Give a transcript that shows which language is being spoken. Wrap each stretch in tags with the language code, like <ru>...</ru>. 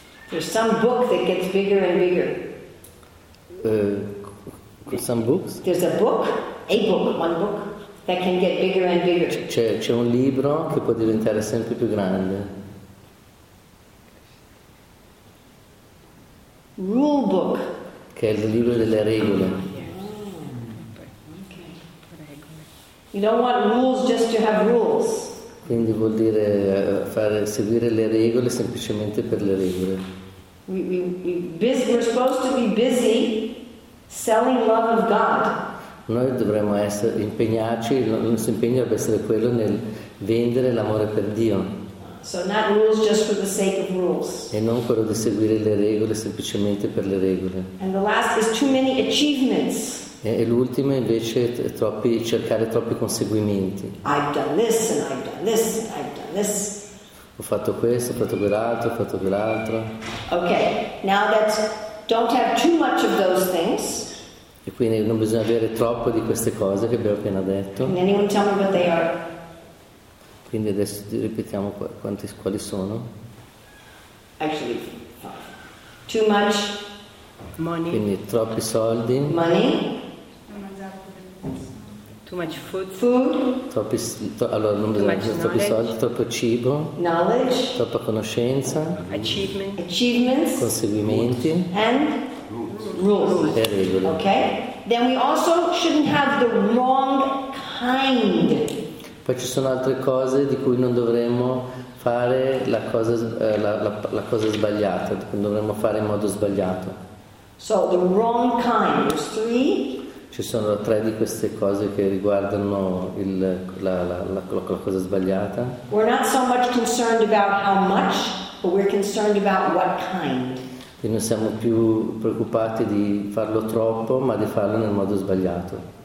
<en>There's some book that gets bigger and bigger. Some books? There's one book that can get bigger and bigger.</en> <it>C'è un libro che può diventare sempre più grande.</it> <en>Rule book.</en> <it>Che è il libro delle regole.</it> <en>You don't want rules just to have rules.</en> <it>Quindi vuol dire fare seguire le regole semplicemente per le regole.</it> <en>We're supposed to be busy selling love of God.</en> <it>Noi dovremmo impegnarci, il nostro impegno deve essere quello nel vendere l'amore per Dio.</it> <en>So not rules just for the sake of rules.</en> <it>E non quello di seguire le regole semplicemente per le regole.</it> <en>And the last is too many achievements.</en> <it>E l'ultimo invece è cercare troppi conseguimenti.</it> <en>I've done this and I've done this and I've done this.</en> <it>Ho fatto questo, ho fatto quell'altro.</it> <en>Okay, now that don't have too much of those things.</en> <it>E quindi non bisogna avere troppo di queste cose che abbiamo appena detto.</it> <en>Can anyone tell me what they are?</en> <it>Quindi adesso ripetiamo quali sono.</it> <en>Actually, too much money.</en> <it>Quindi troppi soldi.</it> <en>Money. Too much food. Food.</en> <it>Troppi soldi, troppo cibo.</it> <en>Knowledge.</en> <it>Troppa conoscenza.</it> <en>Achievements.</en> <it>Conseguimenti.</it> <en>And rules.</en> <it>E regole.</it> <en>Okay. Then we also shouldn't have the wrong kind.</en> <it>Poi ci sono altre cose di cui non dovremmo fare la cosa, la cosa sbagliata, dovremmo fare in modo sbagliato.</it> <en>So the wrong kind, three.</en> <it>Ci sono tre di queste cose che riguardano la cosa sbagliata.</it> <en>We're not so much concerned about how much, but we're concerned about what kind.</en> <it>E non siamo più preoccupati di farlo troppo, ma di farlo nel modo sbagliato.</it>